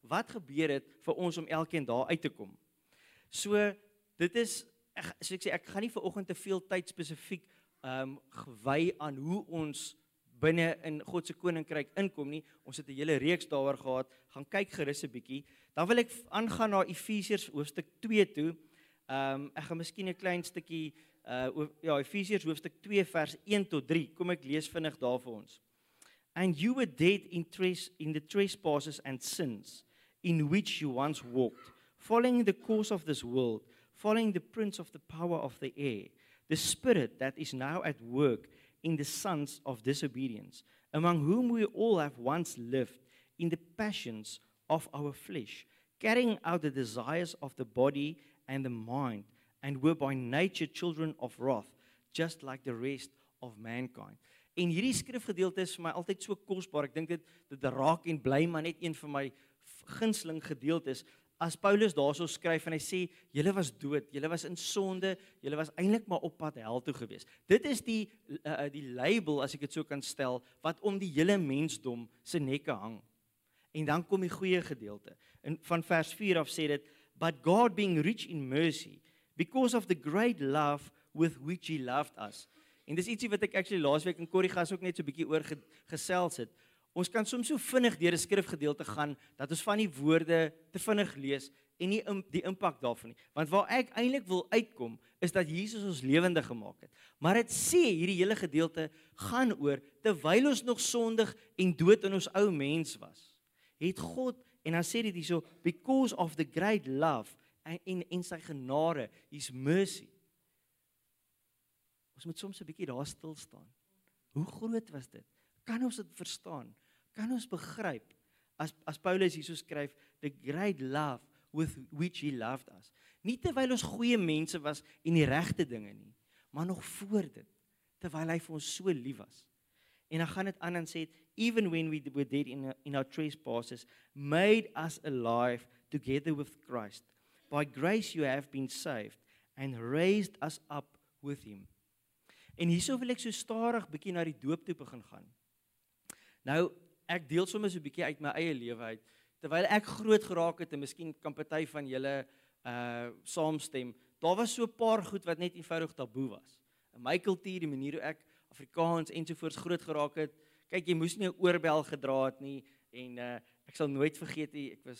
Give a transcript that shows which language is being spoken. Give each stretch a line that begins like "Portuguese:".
Afrikaans: Wat gebeur het vir ons om elkeen daar uit te kom? So, dit is, ek gaan nie vanoggend te veel tyd spesifiek gewy aan hoe ons binne in Godse koninkryk inkom nie, ons het 'n hele reeks daaroor gehad, gaan kyk gerus 'n bietjie, dan wil ek aangaan na Efesiërs hoofstuk 2 toe, ek gaan miskien 'n klein stukkie, Efesiërs hoofstuk 2 vers 1 tot 3, kom ek lees vinnig daar vir ons.
English: And you were dead in the trespasses and sins, in which you once walked, following the course of this world, following the prince of the power of the air, the spirit that is now at work, in the sons of disobedience, among whom we all have once lived in the passions of our flesh, carrying out the desires of the body and the mind, and were by nature children of wrath, just like the rest of mankind.
Afrikaans: En hierdie skrifgedeelte is vir my altyd so kosbaar, ek dink dit raak en bly maar net een van my gunsteling gedeeltes, as Paulus daarso skryf en hy sê, julle was dood, julle was in sonde, julle was eintlik maar op pad hel toe gewees. Dit is die label, as ek het so kan stel, wat om die hele mensdom se nekke hang. En dan kom die goeie gedeelte. En van vers 4 af sê dit,
English: but God being rich in mercy, because of the great love with which he loved us.
Afrikaans: En dis ietsie wat ek actually laas week in Korrigas ook net so bietjie oor gesels het. Ons kan soms so vinnig deur 'n skrifgedeelte gaan, dat ons van die woorde te vinnig lees, en nie die impak daarvan nie. Want waar ek eintlik wil uitkom, is dat Jesus ons lewendig gemaak het. Maar het sê, hierdie hele gedeelte gaan oor, terwyl ons nog sondig en dood in ons ou mens was, het God, en dan sê dit hier so,
English: because of the great love,
Afrikaans: en sy genade,
English: his mercy.
Afrikaans: Ons moet soms 'n bietjie daar stilstaan. Hoe groot was dit? Kan ons dit verstaan? Kan ons begryp, as Paulus hierso skryf,
English: the great love with which he loved us.
Afrikaans: Nie terwyl ons goeie mense was en die regte dinge nie, maar nog voor dit, terwyl hy vir ons so lief was. En dan gaan dit aan en sê,
English: even when we were dead in our trespasses, made us alive together with Christ. By grace you have been saved and raised us up with him.
Afrikaans: En hierso wil ek so stadig bietjie na die doop toe begin gaan. Nou, ek deel soms so 'n bietjie uit my eie lewe uit, terwyl ek groot geraak het, en miskien kan party van julle saamstem, daar was so 'n paar goed wat net eenvoudig taboe was. In my kultuur, die manier hoe ek Afrikaans ensovoorts groot geraak het, kyk, jy moes nie 'n oorbel gedra het nie, en ek sal nooit vergeet nie,